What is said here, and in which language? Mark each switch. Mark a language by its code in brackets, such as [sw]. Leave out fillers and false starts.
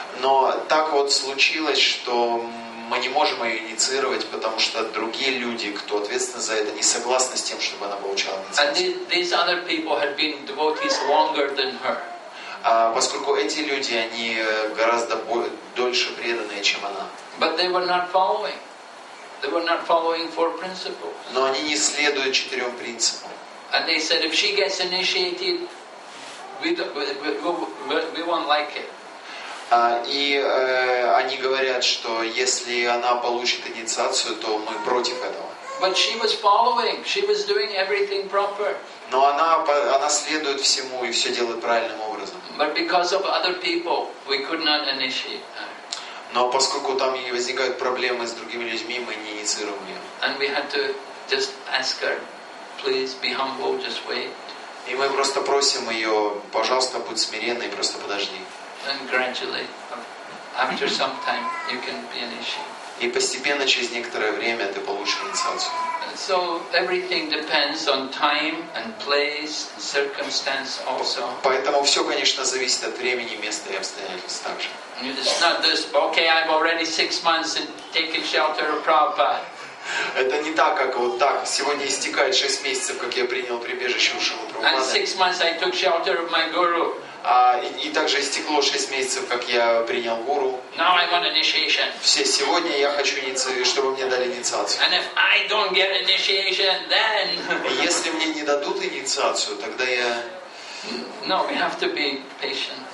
[ru] Но так вот случилось, что мы не можем ее инициировать, потому что другие люди, кто ответственны за это, не согласны с тем, чтобы она получала инициацию. [en] And these other people had been devotees longer than her. [ru] Поскольку эти люди, они гораздо дольше преданные, чем она. [en] But they were not following. They were not following four principles. [ru] Но они не следуют четырем принципам. [en] And they said, if she gets initiated, we won't like it. [ru] Они говорят, что если она получит инициацию, то мы против этого. [en] But she was following. She was doing everything proper. [ru] Но она следует всему и все делает правильным образом. [en] But because of other people, we could not initiate her. [ru] Но поскольку там возникают проблемы с другими людьми, мы не инициируем ее. [en] And we had to just ask her, please be humble, just wait. [ru] И мы просто просим ее, пожалуйста, будь смиренной и просто подожди. [en] And gradually, after some time, you can be initiated. [ru] И постепенно через некоторое время ты получишь инициацию. [en] So everything depends on time and place and circumstance also. [ru] Поэтому все, конечно, зависит от времени, места и обстоятельств также. [en] It's not this. Okay, I'm already 6 months and taking shelter of Prabhupada. [ru] Это не так, как вот так. Сегодня истекает 6 месяцев, как я принял прибежище у Шрилы Прабхупады. [en] And 6 months I took shelter of my guru. [ru] И также истекло 6 месяцев, как я принял гуру. [en] Now I want initiation. [ru] Все, сегодня я хочу инициацию, чтобы мне дали инициацию. [en] And if I don't get initiation, then. [ru] Если мне не дадут инициацию, тогда я. [en] No, we have to be patient.